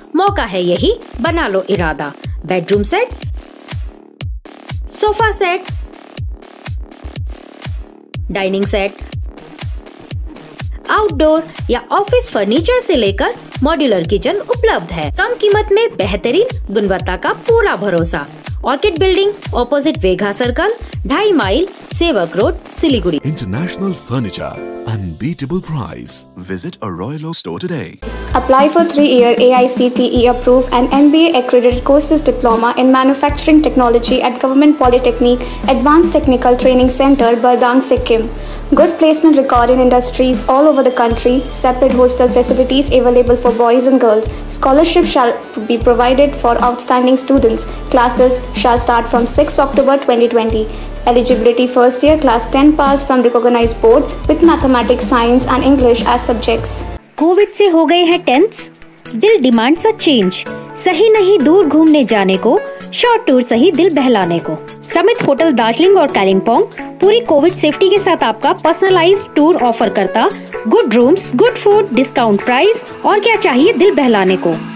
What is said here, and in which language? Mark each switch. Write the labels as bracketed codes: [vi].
[hi] मौका है यही, बना लो इरादा। Bedroom set, sofa set, dining set, outdoor या ऑफिस फर्नीचर से लेकर मॉड्यूलर किचन उपलब्ध है। कम कीमत में बेहतरीन गुणवत्ता का पूरा भरोसा। Orchid building opposite वेघा circle, 2.5 mile सेवक road, Siliguri. [en] International furniture, unbeatable price. Visit a Royal Oak store today. Apply for 3-year AICTE approved and MBA accredited courses diploma in manufacturing technology at Government Polytechnic Advanced Technical Training Center, Bardang, Sikkim. Good placement record in industries all over the country. Separate hostel facilities available for boys and girls. Scholarship shall be provided for outstanding students. Classes shall start from 6 October 2020. Eligibility first year class 10 pass from recognized board with mathematics, science and English as subjects. [hi] Covid से हो गए हैं tense? दिल [en] Demands a change. [hi] सही नहीं दूर घूमने जाने को, शॉर्ट टूर सही दिल बहलाने को। समित होटल दार्जिलिंग और कालिंपोंग पूरी कोविड सेफ्टी के साथ आपका पर्सनलाइज्ड टूर ऑफर करता। [en] good rooms, good food, discount price, [hi] और क्या चाहिए दिल बहलाने को।